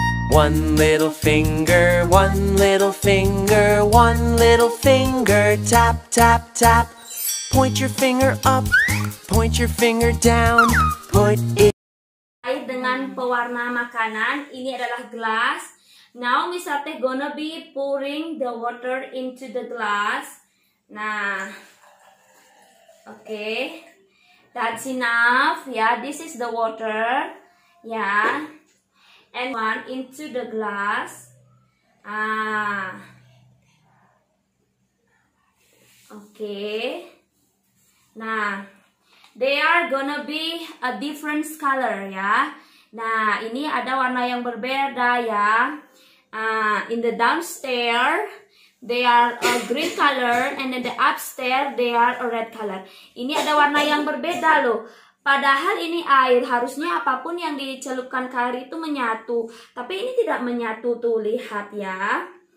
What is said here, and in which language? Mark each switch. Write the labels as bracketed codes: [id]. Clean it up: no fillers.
[en] One little finger, one little finger, one little finger, tap, tap, tap. Point your finger up, point your finger down, put it. [id] Hai, dengan pewarna makanan, ini adalah gelas. [en] Now Miss Ate gonna be pouring the water into the glass. Nah, okay, that's enough. Yeah, this is the water. Yeah. And one into the glass. Ah. Okay. Nah, they are gonna be a different color, ya. [id] Nah, ini ada warna yang berbeda, ya. [en] In the downstairs, They are a green color, and then the upstairs they are a red color. [id] Ini ada warna yang berbeda loh. Padahal ini air, harusnya apapun yang dicelupkan ke air itu menyatu. Tapi ini tidak menyatu tuh, lihat ya.